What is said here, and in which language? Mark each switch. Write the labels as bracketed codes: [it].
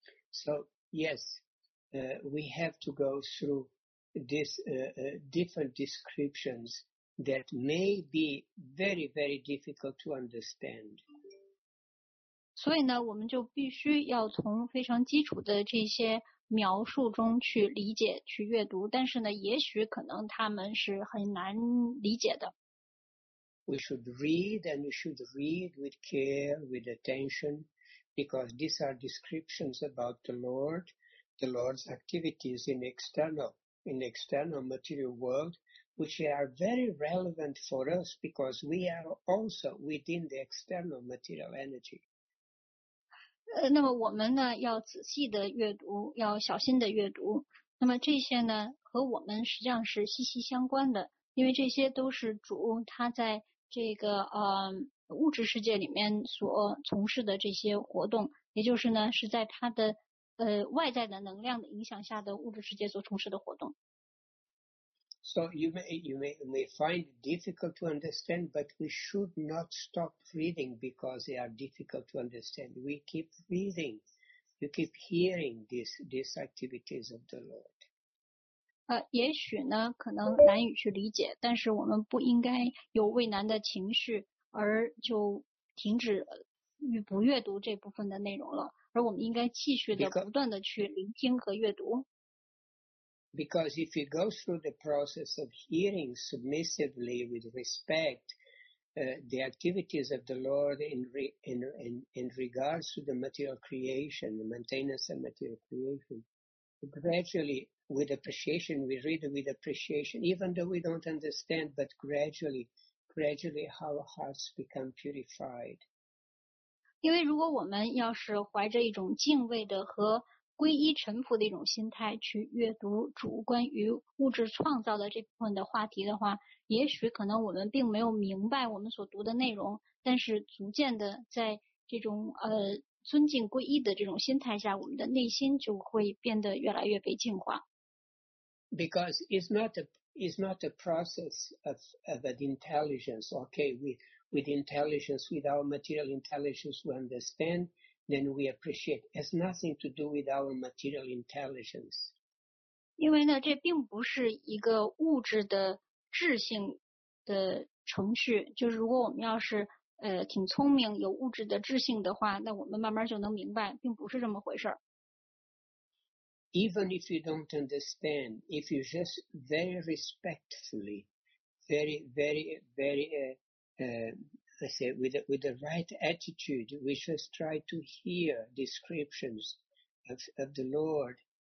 [en] So yes, we have to go through this different descriptions that may be very very difficult to understand. [zh] 所以呢，我们就必须要从非常基础的这些描述中去理解、去阅读，但是呢，也许可能他们是很难理解的。 [en] We should read and we should read with care, with attention, because these are descriptions about the Lord, the Lord's activities in the external material world, which are very relevant for us because we are also within the external material energy. [zh] 那么我们呢，要仔细的阅读，要小心的阅读。那么这些呢，和我们实际上是息息相关的，因为这些都是主他在这个物质世界里面所从事的这些活动，也就是呢，是在他的外在的能量的影响下的物质世界所从事的活动。 [en] So you may find it difficult to understand, but we should not stop reading because they are difficult to understand. We keep reading, you keep hearing these activities of the Lord. [zh] 也许呢可能难以去理解，但是我们不应该有畏难的情绪而就停止与不阅读这部分的内容了，而我们应该继续的不断的去聆听和阅读。 [en] Because if you go through the process of hearing submissively with respect, the activities of the Lord in regards to the material creation, the maintenance of material creation, gradually with appreciation, we read with appreciation, even though we don't understand, but gradually, gradually our hearts become purified. [zh] 因为如果我们要是怀着一种敬畏的和皈依臣服的一种心态去阅读主关于物质创造的这部分的话题的话，也许可能我们并没有明白我们所读的内容，但是逐渐的在这种尊敬皈依的这种心态下，我们的内心就会变得越来越被净化。 [en] Because it's not a process of an intelligence. Okay, with intelligence, with our material intelligence, we understand. Then we appreciate. It has nothing to do with our material intelligence. [zh] 因为呢，这并不是一个物质的智性的程序。就是如果我们要是挺聪明，有物质的智性的话，那我们慢慢就能明白，并不是这么回事。 [en] Even if you don't understand, if you just very respectfully, very, very, very, I say with the right attitude, we just try to hear descriptions of the Lord.